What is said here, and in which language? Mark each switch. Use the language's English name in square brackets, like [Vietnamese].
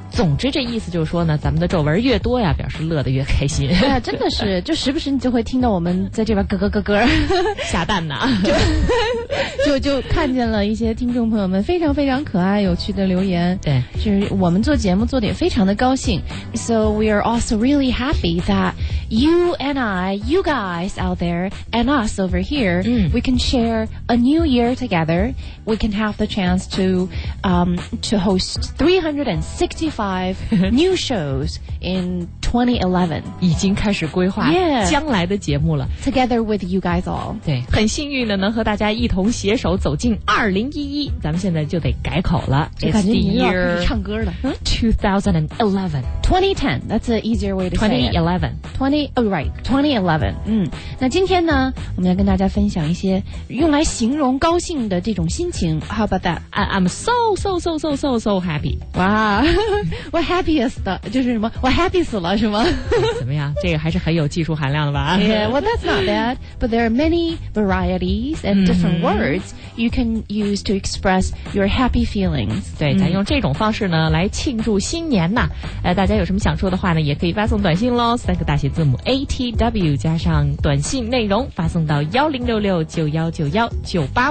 [Chinese] 总之这意思就是说呢，咱们的皱纹越多呀，表示乐得越开心。对啊，真的是，就时不时你就会听到我们在这边咯咯咯咯下蛋呢，就看见了一些听众朋友们非常非常可爱有趣的留言。对，就是我们做节目做得也非常的高兴。 [English] So we are also really happy that you and I, you guys out there and us over here, we can share a new year together. We can have the chance to host 365five new shows in 2011. [Chinese] 已经开始规划将来的节目了。 [English] Yeah, together with you guys all. [Chinese] 对，很幸运的能和大家一同携手走进2011。咱们现在就得改口了。就感觉你要唱歌了。 2011. [English] 2010, that's an easier way to say it. 2011. Oh, right. 2011. [Chinese] 那今天呢，我们要跟大家分享一些用来形容高兴的这种心情。 [English] How about that? I'm so happy. Wow. What happiest? [Chinese] 就是什么？我 happy死了是吗？怎么样，这个还是很有技术含量的吧。 [English] Yeah, well that's not bad, but there are many varieties and different words you can use to express your happy feelings. [Chinese] 对，咱用这种方式呢来庆祝新年呐。大家有什么想说的话呢，也可以发送短信咯，三个大写字母 ATW 加上短信内容，发送到10669191985。